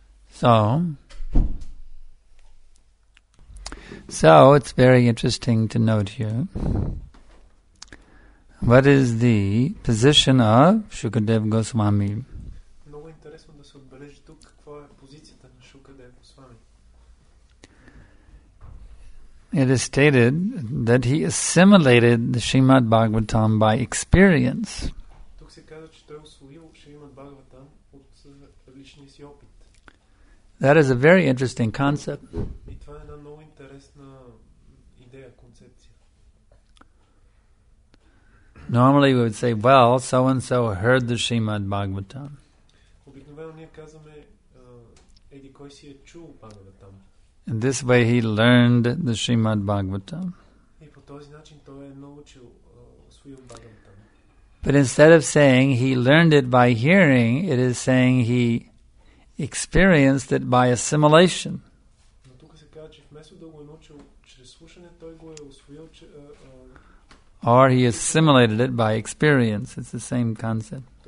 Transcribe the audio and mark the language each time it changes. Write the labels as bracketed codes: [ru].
[en] So, it's very interesting to note here What is the position of Shukadev Goswami? [bg] Много интересно да се отбележи тук каква е позицията на Shukadev Goswami. [en] It is stated that he assimilated the Srimad Bhagavatam by experience. [bg] Тук се казва, че той усвоил Шримад Бхагаватам от личния си опит. [en] That is a very interesting concept. [bg] И това е една много интересна идея, концепция. [en] Normally we would say, well, so and so heard the Srimad Bhagavatam. [bg] Обикновено ние казваме, еди кой си е чул Бхагаватам. [en] In this way he learned the Srimad Bhagavatam. [bg] И по този начин той е научил, усвоил Бхагаватам. [en] But instead of saying he learned it by hearing, it is saying he experienced it by assimilation. [bg] Но тук се казва, че вместо да го е научил чрез слушане, той го е усвоил, че, [en] Or he assimilated it by experience. It's the same concept.